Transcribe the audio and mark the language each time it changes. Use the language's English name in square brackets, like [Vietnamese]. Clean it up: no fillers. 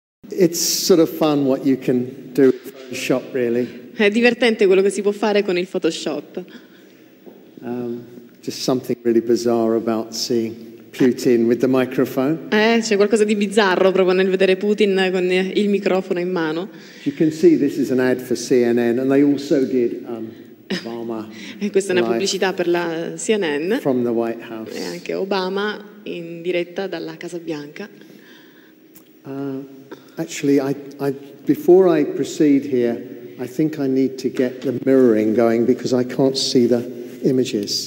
[English] It's sort of fun what you can do with Photoshop, really. [Italian] È divertente quello che si può fare con il Photoshop. [English] Just something really bizarre about seeing Putin with the microphone. [Italian] C'è qualcosa di bizzarro proprio nel vedere Putin con il microfono in mano. [English] You can see this is an ad for CNN, and they also did Obama. [Italian] E questa è una pubblicità per la CNN. [English] From the White House. [Italian] E anche Obama in diretta dalla Casa Bianca. [English] Actually, I before I proceed here, I think I need to get the mirroring going because I can't see the images.